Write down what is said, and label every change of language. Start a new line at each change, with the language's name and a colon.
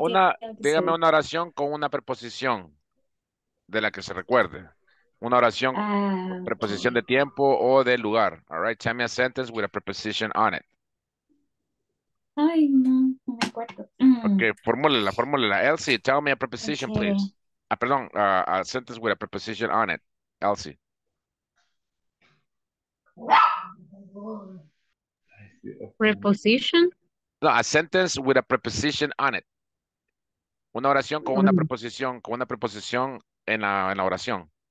Spanish: una, dígame una oración con una preposición de la que se recuerde. Una oración con preposición de tiempo o de lugar.
English: All right. Tell me a sentence with a preposition on it.
Spanish: Ay, no.
English: Okay,
Spanish: formulela, formulela.
English: Elsie, tell me a preposition, okay. Please. Perdón, a sentence with a preposition on it. Elsie. Preposition? No, a sentence with a preposition on it.
Spanish: Una oración con una preposición, en la oración.